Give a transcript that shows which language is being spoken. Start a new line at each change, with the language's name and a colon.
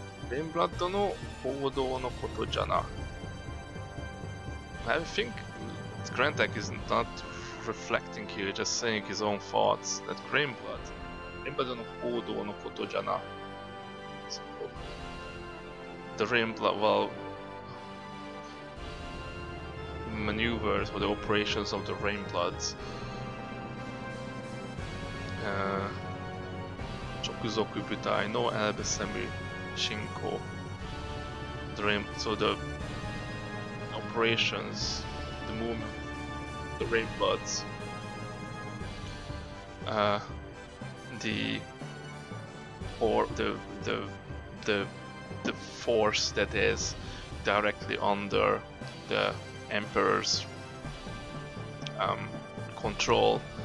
Japanese: レインブラッドの報道のことじゃな。
English: I think Grantek is not reflecting here, just saying his own thoughts. That Grimblood.
Japanese: レインブラッドの報道のことじゃな。
English: The Rain Blood, well, maneuvers or the operations of the Rain Bloods.
Japanese: 直属部隊のエルベセミ進行
English: Dream, so the operations, the movement, the rain bloods, the force that is directly under the emperor's control.